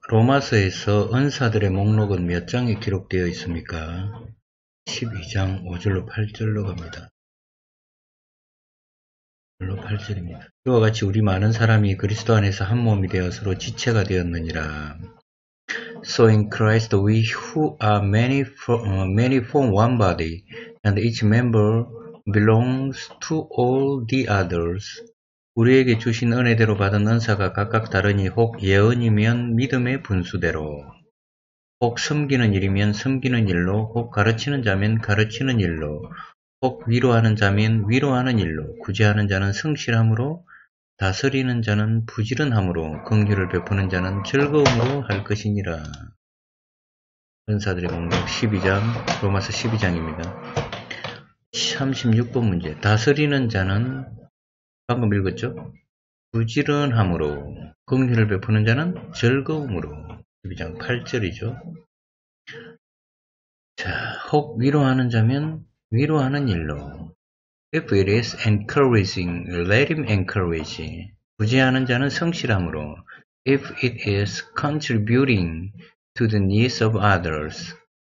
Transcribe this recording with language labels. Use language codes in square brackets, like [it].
[ko] 로마서에서 은사들의 목록은 몇 장에 기록되어 있습니까? 12장 5절로 8절로 갑니다. 5절로 8절입니다. 이와 같이 우리 많은 사람이 그리스도 안에서 한 몸이 되어 서로 지체가 되었느니라. [en] So in Christ we who are many many form one body and each member belongs to all the others. [ko] 우리에게 주신 은혜대로 받은 은사가 각각 다르니 혹 예언이면 믿음의 분수대로, 혹 섬기는 일이면 섬기는 일로, 혹 가르치는 자면 가르치는 일로, 혹 위로하는 자면 위로하는 일로, 구제하는 자는 성실함으로, 다스리는 자는 부지런함으로, 긍휼을 베푸는 자는 즐거움으로 할 것이니라. 은사들의 목록 12장, 로마서 12장입니다. 36번 문제. 다스리는 자는 방금 읽었죠? 부지런함으로, 긍휼을 베푸는 자는 즐거움으로. 12장 8절이죠. 자, 혹 위로하는 자면 위로하는 일로. [en] If it is encouraging, let him encourage. [ko] 부지하는 자는 성실함으로. [en] If it is contributing to the needs of others.